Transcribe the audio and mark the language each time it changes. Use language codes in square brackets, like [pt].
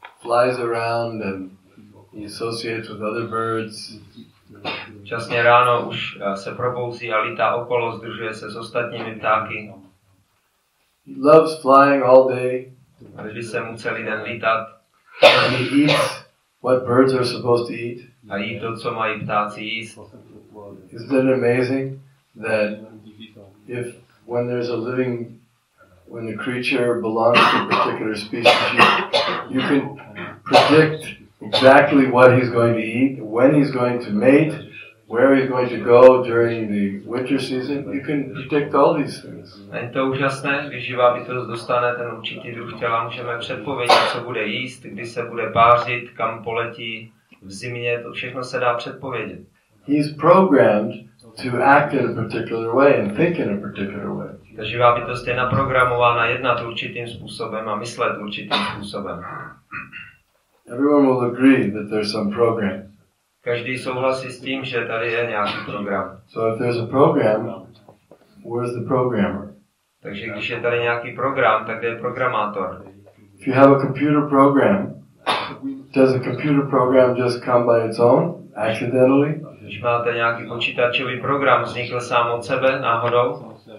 [en] flies around and he associates with other birds. [cs] Časně ráno už se probouzí a lítá okolo, sdružuje se s ostatními ptáky. [en] He loves flying all day. [cs] Vždy se mu celý den lítat. [en] And he eats what birds are supposed to eat. [cs] A jí to, co mají ptáci jíst. [en] Isn't it amazing that if when there's a living, when the creature belongs to a particular species, you can predict exactly what he's going to eat, when he's going to mate, where he's going to go during the winter season. You can predict all these things. [cs] Není to úžasné, když živá bytost dostane ten určitý druh těla, můžeme předpovědět, co bude jíst, kdy se bude pářit, kam poletí v zimě, to všechno se dá předpovědět. [en] He's programmed to act in a particular way and think in a particular way. [cs] Ta živá bytost je naprogramována jednat určitým způsobem a myslet určitým způsobem. [en] Everyone will agree that there's some program. [cs] Každý souhlasí s tím, že tady je nějaký program. [en] So if there's a program, where's the programmer? [cs] Takže když je tady nějaký program, tak kde je programátor? [en] If you have a computer program, does a computer program just come by its own, accidentally? [cs] Když máte nějaký počítačový program, vznikl sám od sebe, náhodou?